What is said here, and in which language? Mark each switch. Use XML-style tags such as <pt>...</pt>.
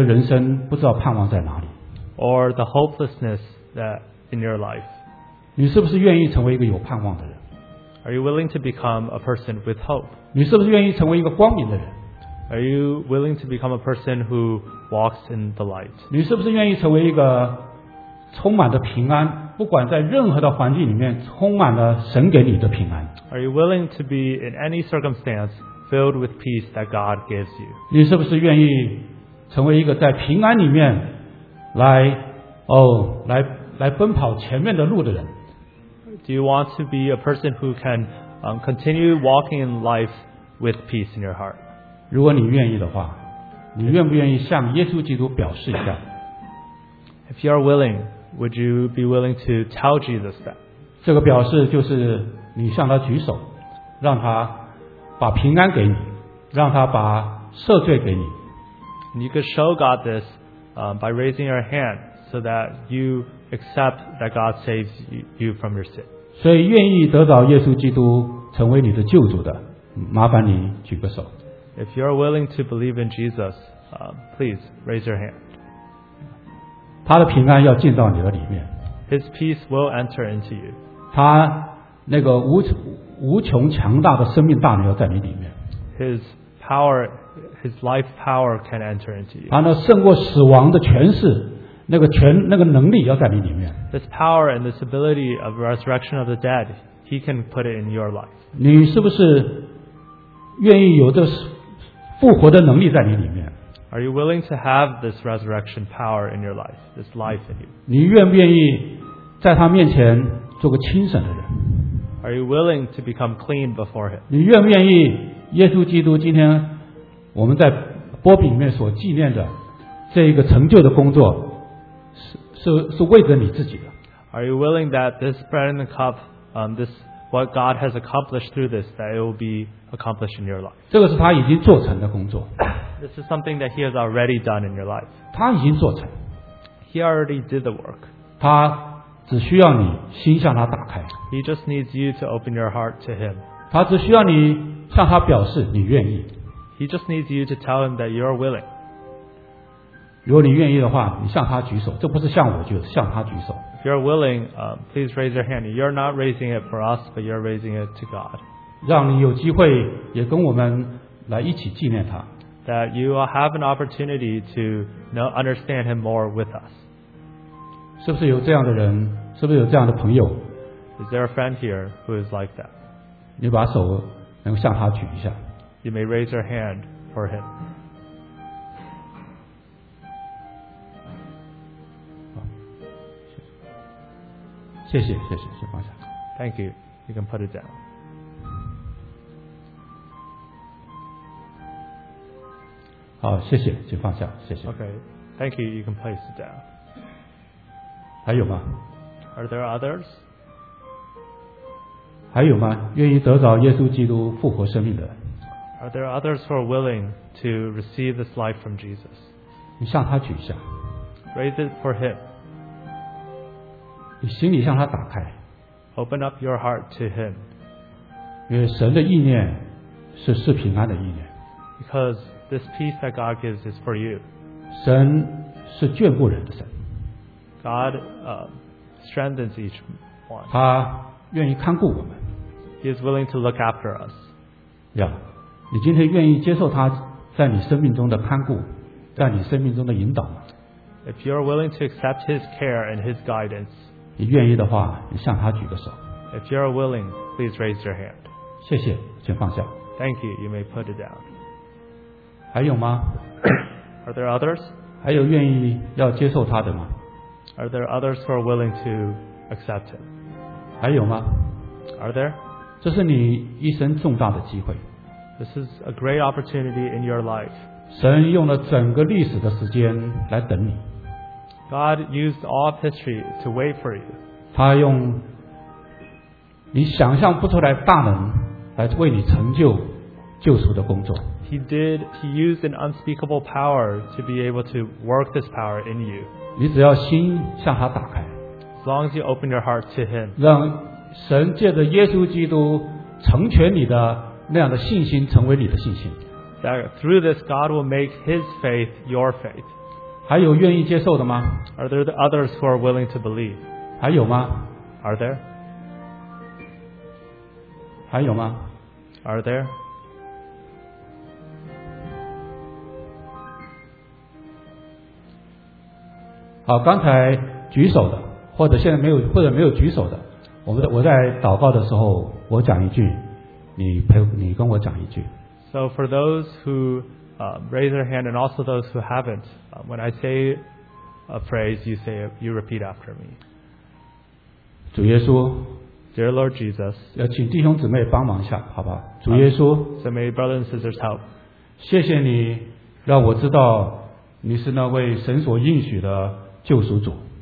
<zh>或者是你觉得人生不知道盼望在哪里,</zh> <en>or the hopelessness that in your life,</en> <zh>你是不是愿意成为一个有盼望的人?</zh> <en>Are you willing to become a person with hope?</en> <zh>你是不是愿意成为一个光明的人?</zh> <en>Are you willing to become a person who walks in the light?</en> <zh>你是不是愿意成为一个充满的平安, 不管在任何的环境里面充满了神给你的平安?</zh> <en>Are you willing to be in any circumstance filled with peace that God gives you?</en> <zh>你是不是愿意成为一个在平安里面来奔跑前面的路的人?</zh> <en>Do you want to be a person who can continue walking in life with peace in your heart?</en> <zh>如果你愿意的话, 你愿不愿意向耶稣基督表示一下？</zh> <en>If you are willing, would you be willing to tell Jesus that?</en> <zh>这个表示就是你向他举手，让他把平安给你，让他把赦罪给你。</zh> <en>You could show God this, by raising your hand so that you accept that God saves you from your sin.</en> <zh>所以愿意得到耶稣基督成为你的救主的，麻烦你举个手。</zh> <en>If you are willing to believe in Jesus, please raise your hand.</en> <zh>他的平安要进到你的里面。</zh> <en>His peace will enter into you.</en> <zh>他那个 无穷强大的生命大能要在你里面。</zh> <en>His life power can enter into you.</en> <zh>他那胜过死亡的权势，那个能力要在你里面。</zh> <en>This power and this ability of resurrection of the dead, he can put it in your life.</en> <zh>你是不是愿意有的复活的能力在你里面？</zh> <en>Are you willing to have this resurrection power in your life, this life in you?</en> <zh>你愿不愿意在他面前做个清省的人？</zh> <en>Are you willing to become clean before him?</en> <zh>你愿不愿意耶稣基督今天我们在波饼里面所纪念的这一个成就的工作 是为着你自己的？</zh> <en>Are you willing that this bread and the cup, this what God has accomplished through this, that it will be accomplished in your life.</en> <zh>这个是他已经做成的工作。</zh> <en>This is something that he has already done in your life.</en> <zh>他已经做成。</zh> <en>He already did the work.</en> <zh>他只需要你心向他打开。</zh> <en>He just needs you to open your heart to him.</en> <zh>他只需要你向他表示你愿意。</zh> <en>He just needs you to tell him that you are willing.</en> <zh>如果你愿意的话，你向他举手，这不是向我举手，向他举手。</zh> <en>If you're willing, please raise your hand. You're not raising it for us, but you're raising it to God.</en> <zh>让你有机会也跟我们来一起纪念他。</zh> <en>That you have an opportunity to understand him more with us.</en> <zh>是不是有这样的人？是不是有这样的朋友？</zh> <en>Is there a friend here who is like that?</en> <zh>你把手能向他举一下。</zh> <en>You may raise your hand for him.</en> <zh>谢谢谢谢，先放下。</zh> <en>Thank you. You can put it down.</en> <zh>好，谢谢，先放下，谢谢。</zh> <en>Okay. Thank you. You can place it down.</en> <zh>还有吗？</zh> <en>Are there others?</en> <zh>还有吗？愿意得到耶稣基督复活生命的？</zh> <en>Are there others who are willing to receive this life from Jesus?</en> <zh>你向他举一下。</zh> <en>Raise it for him.</en> <zh>你心里向他打开。</zh> <en>Open up your heart to him.</en> <zh>因为神的意念是平安的意念。</zh> <en>Because this peace that God gives is for you.</en> <zh>神是眷顾人的神。</zh> <en>God, strengthens each one.</en> <zh>他愿意看顾我们。</zh> <en>He is willing to look after us. Yeah.</en> <zh>你今天愿意接受他在你生命中的看顾，在你生命中的引导吗？</zh> <en>If you are willing to accept his care and his guidance,</en> <zh>你愿意的话，你向他举个手。</zh> <en>If you are willing, please raise your hand.</en> <zh>谢谢，请放下。</zh> <en>Thank you. You may put it down.</en> <zh>还有吗？</zh> <en>Are there others?</en> <zh>还有愿意要接受他的吗？</zh> <en>Are there others who are willing to accept him?</en> <zh>还有吗？</zh> <en>Are there?</en> <zh>这是你一生重大的机会。</zh> <en>This is a great opportunity in your life.</en> <zh>神用了整个历史的时间来等你。</zh> <en>God used all of history to wait for you.</en> <zh>他用你想象不出来大能来为你成就救赎的工作。</zh> <en>He used an unspeakable power to be able to work this power in you.</en> <zh>你只要心向他打开。</zh> <en>As long as you open your heart to him.</en> <zh>让神借着耶稣基督成全你的那样的信心成为你的信心。</zh> <en>That through this, God will make his faith your faith.</en> <zh>还有愿意接受的吗？</zh> <en>Are there the others who are willing to believe?</en> <zh>还有吗？</zh> <en>Are there?</en> <zh>还有吗？</zh> <en>Are there?</en> <zh>好，刚才举手的，或者现在没有，或者没有举手的，我在祷告的时候，我讲一句，你跟我讲一句。</zh> <en>So for those who raise their hand and also those who haven't. When I say a phrase, you repeat after me.</en> <zh>主耶稣</zh> <en>Dear Lord Jesus,</en> <zh>要请弟兄姊妹帮忙一下，好吧？主耶稣</zh> <en>So may brothers and sisters help.</en> <zh>谢谢你让我知道你是那位神所应许的救赎主。</zh>